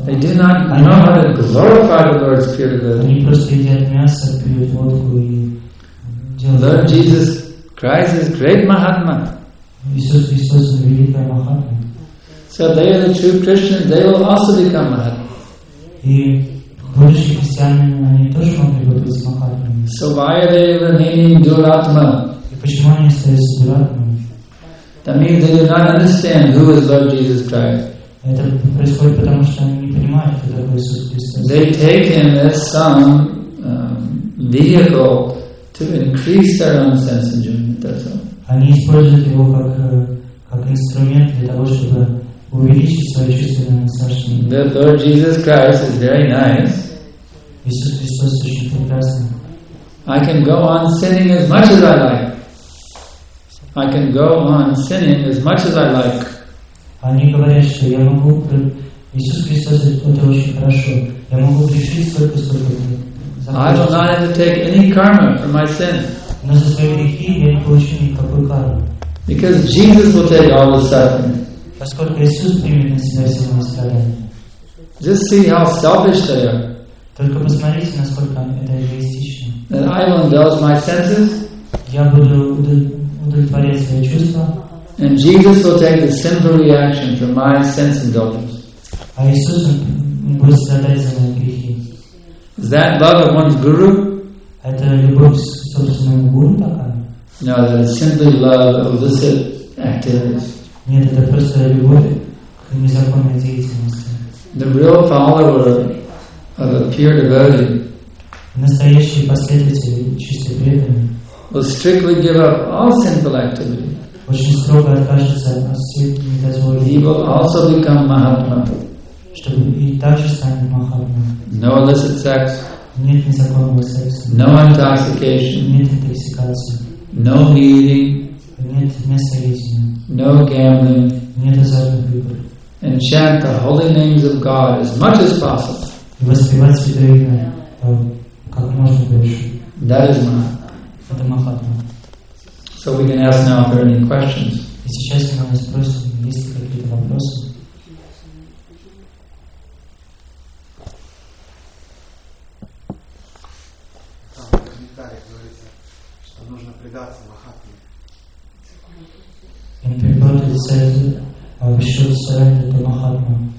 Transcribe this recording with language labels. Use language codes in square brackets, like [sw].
[en] they did not know how to glorify the Lord's Spirit. [ru] Они просто едят мясо, пьют водку и делают. [en] Lord Jesus Christ is great Mahatma. [ru] Иисус великая Махатма. [en] So they are the true Christians. They will also become Mahatma. [ru] И будущие христиане, они тоже могут быть Махатмами. [en] So why are they remaining Duratma? [ru] Почему они остаются дуратмами? [en] That means they do not understand who is Lord Jesus Christ. [ru] Это происходит потому, что они не понимают, кто такой Иисус Христос. [en] They take him as some vehicle to increase their own sense of enjoyment. That's all. [ru] Они используют его как инструмент для того, чтобы увеличить свое чувственное наслаждение. [en] The Lord Jesus Christ is very nice. [ru] Иисус Христос очень прекрасен. [en] I can go on sinning as much as I like. I can go on sinning as much as I like. [ru] Они говорят, что я могу. Иисус Христос это очень хорошо. Я могу грешить сколько [en] I will not have to take any karma for my sin. [ru] Но за свои грехи я не получу никакой кармы. [en] Because Jesus will take all the suffering. [ru] Поскольку Иисус примет на себя все мои страдания. [en] Just see how selfish they are. [ru] Только посмотрите, насколько это эгоистично. [en] That I will indulge my senses. [ru] Я буду удовлетворять свои чувства. [en] And Jesus will take the sinful reaction for my sense indulgence. [ru] А Иисус будет страдать за мои грехи. [en] Is that love of one's guru? [ru] Это любовь собственного гуру такая? [en] No, that is simply love of illicit activities. [ru] Нет, это просто любовь к незаконной деятельности. [en] The real follower of a pure devotee. [ru] Настоящие последователи чистой преданности. [en] Will strictly give up all sinful activity. [ru] Очень строго откажется от всех недозволений. [en] He will also become Mahatma. [ru] Чтобы и также станет Mahatma. [en] No illicit sex. [ru] Нет незаконного секса. [en] No intoxication. [ru] Нет интоксикации. [en] No eating. [ru] Нет мясоедения. [en] No gambling. [ru] Нет азартных игр. [en] And chant the holy names of God as much as possible. [ru] И воспевать святое имя как можно больше. [en] That is Mahatma. So we can ask now if there are any questions. [ru] И сейчас мы можем спросить, есть ли какие-то вопросы? Там в комментариях говорится, что нужно предаться Махатме. [en] In the Bible it says, we should surrender to Mahatma.